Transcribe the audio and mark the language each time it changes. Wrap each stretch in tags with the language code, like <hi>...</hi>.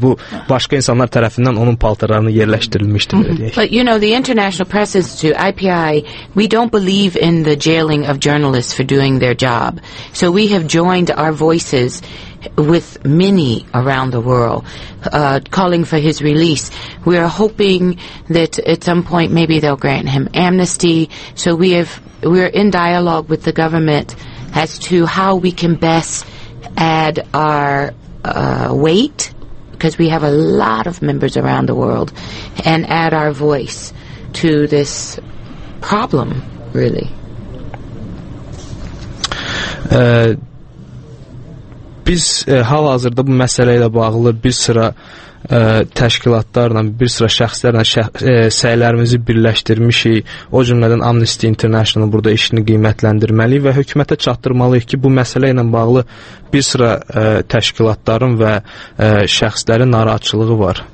<az>Bu başqa insanlar tərəfindən onun paltarlarını yerləşdirilmişdir belə deyək.</az> <en>But you know, the International Press Institute, IPI, we don't believe in the jailing of journalists for doing their job. So we have joined our voices with many around the world calling for his release. We are hoping that at some point maybe they'll grant him amnesty. So we're in dialogue with the government as to how we can best add our weight, because we have a lot of members around the world, and add our voice to this problem, really.</en> <az>Biz hal-hazırda bu məsələ ilə bağlı bir sıra təşkilatlarla, bir sıra şəxslərlə səylərimizi birləşdirmişik. O cümlədən Amnesty International burada işini qiymətləndirməliyik və hökumətə çatdırmalıyıq ki, bu məsələ ilə bağlı bir sıra təşkilatların və şəxslərin narahatçılığı var.</az>